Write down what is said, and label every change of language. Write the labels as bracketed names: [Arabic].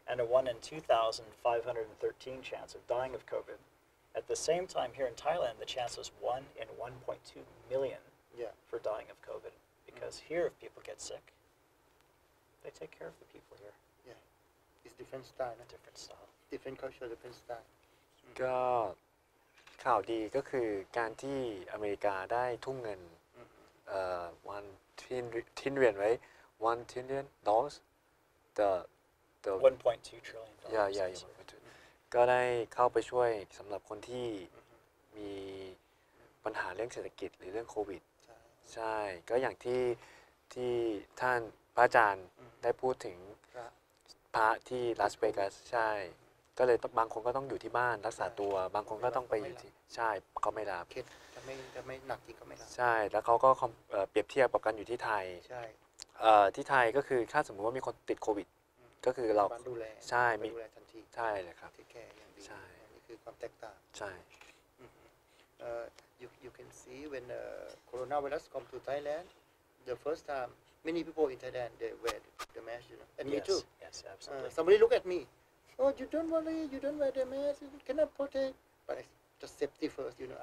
[English] And a 1 in 2,513 chance of dying of COVID. At the same time here in Thailand, the chance was 1 in 1.2 million for dying of COVID. Because here if people get sick, they take care of the people here. Yeah. It's different style. Different style. Different culture, different style. Mm-hmm. [Thai] ก็ข่าวดีก็คือการที่อเมริกาได้ทุ่มเงิน [English] one trillion right $1 trillion the $1.2 trillion [Thai] ก็ได้เข้าไปช่วยสำหรับคนที่มีปัญหาเรื่องเศรษฐกิจหรือเรื่องโควิดใช่ก็อย่างที่ท่านพระอาจารย์ได้พูดถึงพระที่ลาสเวกัสใช่ก็เลยบางคนก็ต้องอยู่ที่บ้านรักษาตัวบางคนก็ต้องไปอยู่ที่ใช่เขาไม่รับ คิดจะไม่หนักจริงก็ไม่รับ ใช่แล้วเขาก็เปรียบเทียบกับการอยู่ที่ไทย ใช่ที่ไทยก็คือถ้าสมมติว่ามีคนติดโควิดก็คือเรา ดูแล ใช่ มีดูแลทันที ใช่เลยครับ ที่แก่อย่างดี ใช่ นี่คือความแตกต่าง ใช่ [English] You can see when coronavirus come to Thailand, the first time many people in Thailand they wear the mask, you know, and yes, me too. Yes, absolutely. Somebody look at me. Oh, you don't worry, you don't wear the mask. You cannot protect. But it's just safety first, you know.